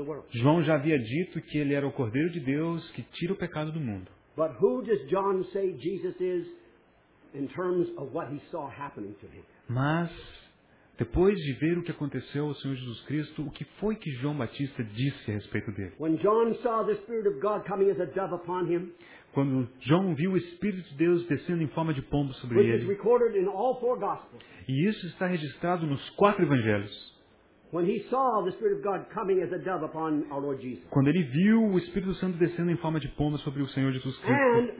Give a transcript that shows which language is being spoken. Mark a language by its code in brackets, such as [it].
[pt] João já havia dito que ele era o Cordeiro de Deus que tira o pecado do mundo. Mas quem diz João que Jesus é? [en] In terms of what he saw happening to him. [pt] Mas, depois de ver o que aconteceu ao Senhor Jesus Cristo, o que foi que João Batista disse a respeito dele? [en] When John saw the Spirit of God coming as a dove upon him, [pt] quando João viu o Espírito de Deus descendo em forma de pombo sobre [en] which [pt] ele, [en] is recorded in all four Gospels, [pt] e isso está registrado nos quatro Evangelhos, quando ele viu o Espírito Santo descendo em forma de pombo sobre o Senhor Jesus Cristo,